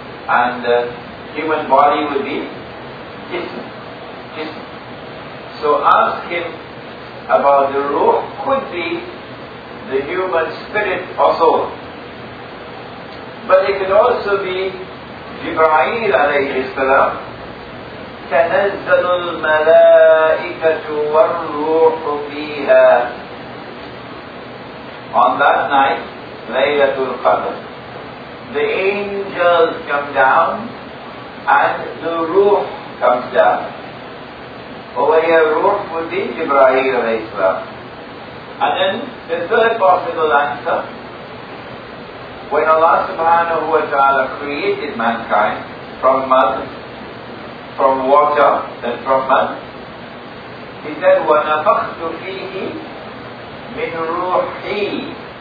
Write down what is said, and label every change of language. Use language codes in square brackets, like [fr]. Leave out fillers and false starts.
[en] And human body would be jism. So ask him about the ruh, could be the human spirit or soul. But it could also be Jibreel alayhi salam. [ar] تنزل الملائكة والروح فيها. [en] On that night, Laylatul Qadr, the angels come down and the ruh comes down. Over here, ruh would be Jibreel alayhi salam. And then the third possible answer, when Allah subhanahu wa ta'ala created mankind from mud, from water and from mud, he said, [ar] وَنَفَخْتُ فِيهِ مِنْ رُوحِي.